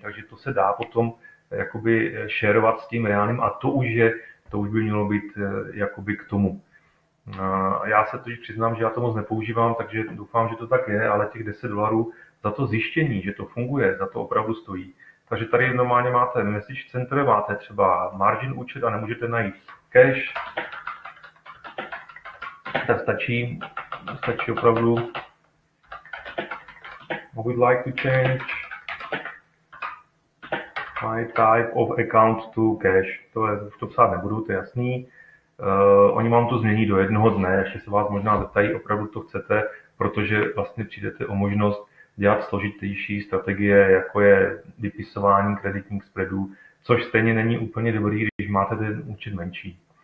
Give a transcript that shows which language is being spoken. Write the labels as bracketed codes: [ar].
[cs] Takže to se dá potom jakoby shareovat s tím reálným a to už by mělo být jakoby k tomu. Já se totiž přiznám, že já to moc nepoužívám, takže doufám, že to tak je, ale těch 10 dolarů za to zjištění, že to funguje, za to opravdu stojí. Takže tady normálně máte message center, máte třeba margin účet a nemůžete najít cash. Tak stačí opravdu [en] would like to change my type of account to cash. [cs] To je, už to psát nebudu, to je jasný. Oni vám to změní do jednoho dne, ještě se vás možná zeptají, opravdu to chcete, protože vlastně přijdete o možnost dělat složitější strategie, jako je vypisování kreditních spreadů, což stejně není úplně dobrý, když máte ten účet menší.